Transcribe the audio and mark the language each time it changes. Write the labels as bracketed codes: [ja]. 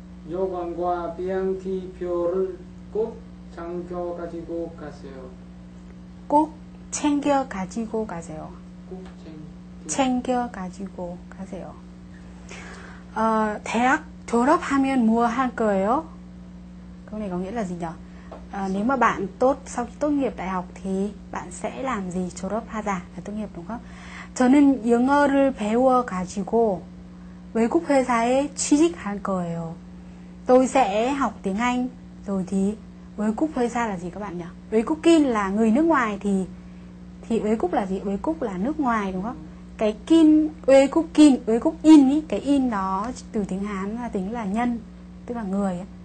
[ko] 여권과 비행기 표를 꼭 챙겨 가지고 가세요. 꼭 챙겨 가지고 가세요. 꼭 챙겨 가지고 가세요. 대학 졸업하면 뭐 할 거예요? [vi] Câu này có nghĩa là gì nhỉ? Nếu mà bạn tốt sau khi tốt nghiệp đại học thì bạn sẽ làm gì? 졸업하자 là tốt nghiệp đúng không? [ko] 저는 영어를 배워 가지고 외국 회사에 취직할 거예요. [vi] Tôi sẽ học tiếng Anh rồi thì 외국 회사 là gì các bạn nhỉ? 외국인 là người nước ngoài thì 외국 là gì? 외국 là nước ngoài đúng không? Cái kin, uế cúc kin, uế cúc in ý, cái in đó từ tiếng Hán là tính là nhân, tức là người.